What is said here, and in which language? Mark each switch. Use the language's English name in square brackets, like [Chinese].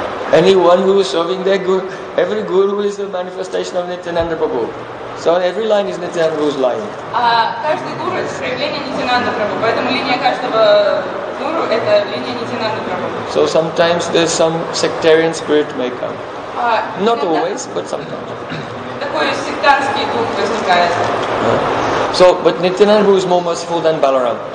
[English] Anyone who is serving their guru, every guru is a manifestation of Nityananda Prabhu. So every line is Nityananda Prabhu's line. [Russian] Каждый гуру это проявление Нитянанда Прабху, поэтому линия каждого гуру это линия Нитянанда Прабху. [English] So sometimes there's some sectarian spirit may come. Not always, but sometimes. [Russian] Такой сектантский дух возникает. [English] So, but Nityananda Prabhu is more merciful than Balaram.